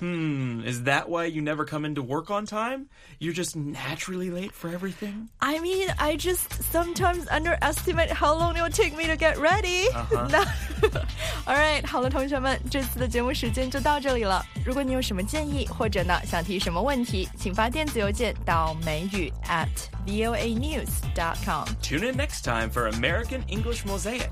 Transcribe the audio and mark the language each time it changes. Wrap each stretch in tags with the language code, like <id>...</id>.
<en>Is that why you never come into work on time? You're just naturally late for everything? I mean, I just sometimes underestimate how long it will take me to get ready. All right,</en> <zh>好了，同学们，这次的节目时间就到这里了。如果你有什么建议，或者呢想提什么问题，请发电子邮件到美语@voanews.com.</zh> <en>Tune in next time for American English Mosaic.</en>